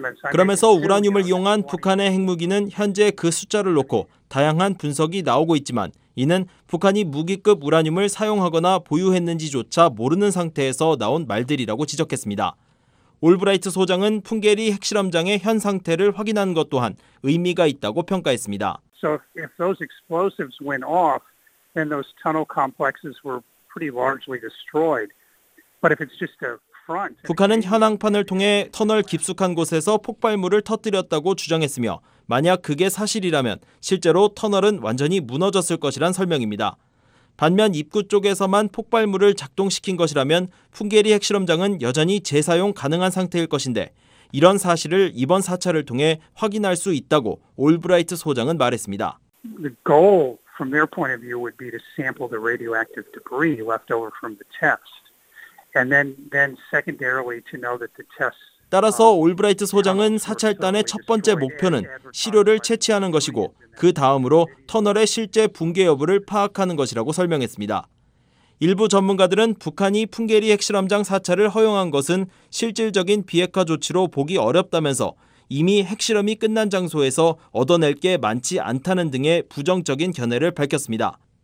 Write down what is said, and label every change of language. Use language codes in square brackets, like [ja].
[ko] 그러면서 우라늄을 이용한 북한의 핵무기는 현재 그 숫자를 놓고 다양한 분석이 나오고 있지만 이는 북한이 무기급 우라늄을 사용하거나 보유했는지조차 모르는 상태에서 나온 말들이라고 지적했습니다. 올브라이트 소장은 풍계리 핵실험장의 현 상태를 확인한 것 또한 의미가 있다고 평가했습니다. [en] So if those explosives went off, then those tunnel complexes were pretty largely destroyed. But if it's just a front, [ko] 북한은 현황판을 통해 터널 깊숙한 곳에서 폭발물을 터뜨렸다고 주장했으며 만약 그게 사실이라면 실제로 터널은 완전히 무너졌을 것이란 설명입니다. 반면 입구 쪽에서만 폭발물을 작동시킨 것이라면 풍계리 핵실험장은 여전히 재사용 가능한 상태일 것인데 이런 사실을 이번 사찰을 통해 확인할 수 있다고 올브라이트 소장은 말했습니다. [en] The goal from their point of view would be to sample the radioactive debris left over from the test and then secondarily to know that the test [ko] 따라서 올브라이트 소장은 사찰단의 첫 번째 목표는 시료를 채취하는 것이고 그 다음으로 터널의 실제 붕괴 여부를 파악하는 것이라고 설명했습니다. 일부 전문가들은 북한이 풍계리 핵실험장 사찰을 허용한 것은 실질적인 비핵화 조치로 보기 어렵다면서 이미 핵실험이 끝난 장소에서 얻어낼 게 많지 않다는 등의 부정적인 견해를 밝혔습니다.